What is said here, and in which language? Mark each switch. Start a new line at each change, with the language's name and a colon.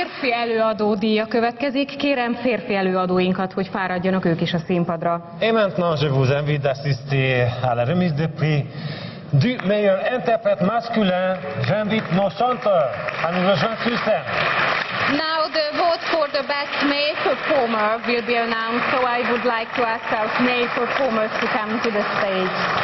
Hungarian: Előadódíja következik. Kérem férfi előadóinkat, hogy fáradjanak ők is a színpadra.
French: Et maintenant, je vous invite d'assister à la remise de prix du meilleur interprète masculin. J'invite nos chanteurs à nous rejoindre sur scène.
English: Now the vote for the best male performer will be announced, so I would like to ask our male performers to come to the stage.